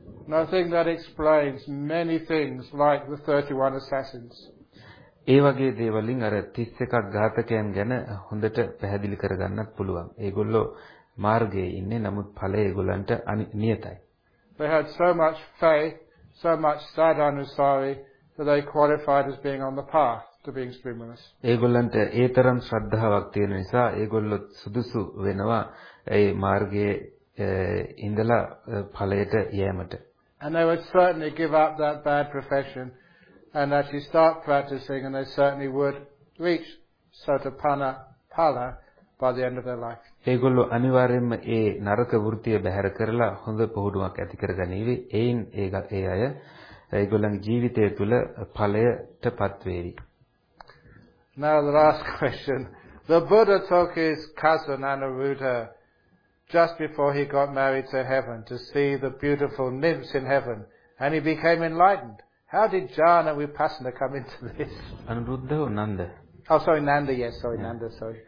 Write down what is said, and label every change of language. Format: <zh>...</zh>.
<en>Nothing that explains many things like the 31 assassins.</en> <si>ඒ වගේ දේවල්ින් අර 31ක් ඝාතකයන් ගැන හොඳට පැහැදිලි කරගන්නත් පුළුවන්. ඒගොල්ලෝ මාර්ගයේ ඉන්නේ නමුත් ඵලය ඒගොල්ලන්ට නියතයි.</si> <en>They had so much faith, so much sadanusari that they qualified as being on the path.</en> <si>ඒගොල්ලන්ට ඒ තරම් ශ්‍රද්ධාවක් තියෙන නිසා ඒගොල්ලෝ සුදුසු වෙනවා ඒ මාර්ගයේ ඉඳලා ඵලයට යෑමට.</si> <en>And they would certainly give up that bad profession and actually start practicing and they certainly would reach Sotapanna Pala by the end of their life.</en> <si>ඒගොල්ලෝ අනිවාර්යයෙන්ම ඒ නරක වෘත්තිය බැහැර කරලා හොඳ පොහුඩුමක් ඇති කරගනීවි. එයින් ඒ අය ඒගොල්ලන්ගේ ජීවිතය තුළ ඵලයටපත් වේවි.</si> <en>Now the last question. The Buddha took his cousin Anuruddha just before he got married to heaven to see the beautiful nymphs in heaven and he became enlightened. How did Jhana Vipassana come into this? Anuruddha or Nanda? Oh sorry, Nanda, yes, sorry, yeah. Nanda, sorry.</en>